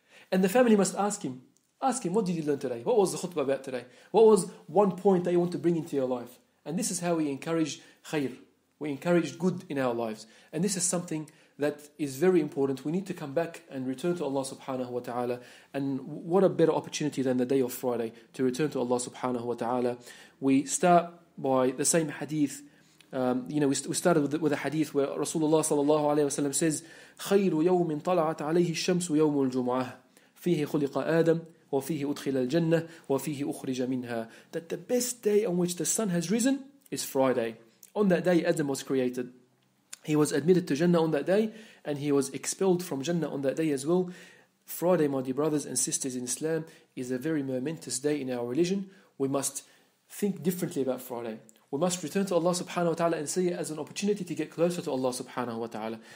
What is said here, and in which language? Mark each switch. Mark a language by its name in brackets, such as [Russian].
[English] And the family must ask him, what did you learn today? What was the khutbah about today? What was one point that you want to bring into your life? And this is how we encourage khayr. We encouraged good in our lives. And this is something that is very important. We need to come back and return to Allah subhanahu wa ta'ala. And what a better opportunity than the day of Friday to return to Allah subhanahu wa ta'ala. We start by the same hadith. We started with a hadith where Rasulullah sallallahu alayhi wa sallam says, [Arabic] خَيْرُ يَوْمٍ طَلَعَتْ عَلَيْهِ الشَّمْسُ يَوْمُ الْجُمْعَةِ فِيهِ خُلِقَ آدَمْ وَفِيهِ أُدْخِلَ الْجَنَّةِ وَفِيهِ أُخْرِجَ مِنْهَا. [English] That the best day on which the sun has risen is Friday. On that day, Adam was created. He was admitted to Jannah on that day, and he was expelled from Jannah on that day as well. Friday, my dear brothers and sisters in Islam, is a very momentous day in our religion. We must think differently about Friday. We must return to Allah subhanahu wa ta'ala and see it as an opportunity to get closer to Allah subhanahu wa ta'ala.